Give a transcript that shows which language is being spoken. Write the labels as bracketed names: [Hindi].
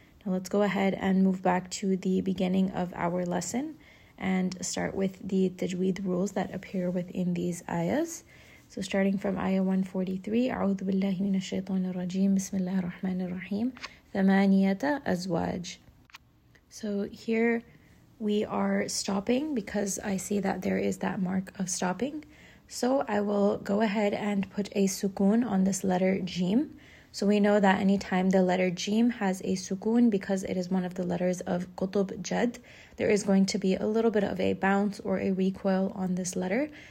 [English] Now let's go ahead and move back to the beginning of our lesson and start with the tajweed rules that appear within these ayahs. So starting from ayah 143, [Arabic] أعوذ بالله من الشيطان الرجيم. بسم الله الرحمن الرحيم. ثمانية أزواج. [English] So here we are stopping because I see that there is that mark of stopping. So I will go ahead and put a sukun on this letter jim. So we know that anytime the letter jim has a sukun, because it is one of the letters of Qutb Jadd, there is going to be a little bit of a bounce or a recoil on this letter.